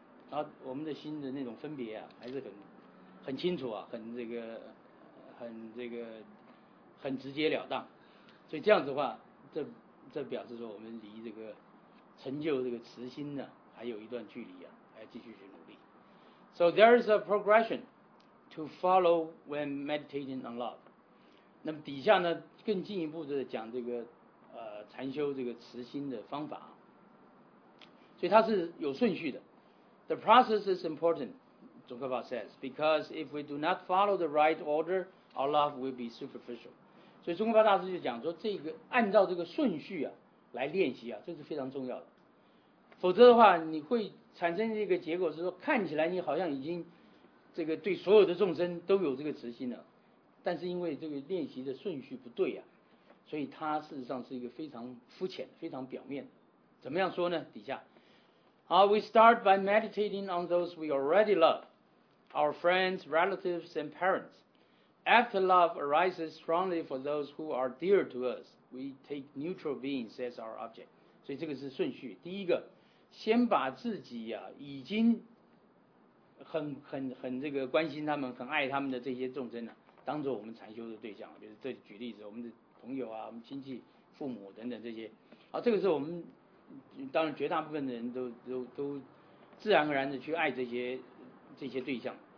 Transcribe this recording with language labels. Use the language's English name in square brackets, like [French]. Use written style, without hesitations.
[Chinese] 然后我们的心的那种分别啊，还是很清楚啊，很直截了当，所以这样子的话，这表示说我们离这个成就这个慈心呢，还有一段距离啊，还要继续去努力。 [English] So there is a progression to follow when meditating on love. [Chinese] 那么底下呢，更进一步的讲这个禅修这个慈心的方法，所以它是有顺序的。 [English] The process is important, Tsongkhapa says, because if we do not follow the right order, our love will be superficial. [Chinese] 所以中国大师就讲说，这个按照这个顺序啊来练习啊，这是非常重要的。否则的话，你会产生这个结果是说，看起来你好像已经这个对所有的众生都有这个慈心了，但是因为这个练习的顺序不对啊，所以它事实上是一个非常肤浅、非常表面的。怎么样说呢？ [English] 底下，好 ，We start by meditating on those we already love, our friends, relatives, and parents. After love arises strongly for those who are dear to us, we take neutral beings as our object. [Chinese] 所以这个是顺序。第一个，先把自己啊已经很这个关心他们、很爱他们的这些众生呢、啊，当作我们禅修的对象。就是这举例子，我们的朋友啊、我们亲戚、父母等等这些，啊，这个是我们当然绝大部分的人都自然而然的去爱这些对象。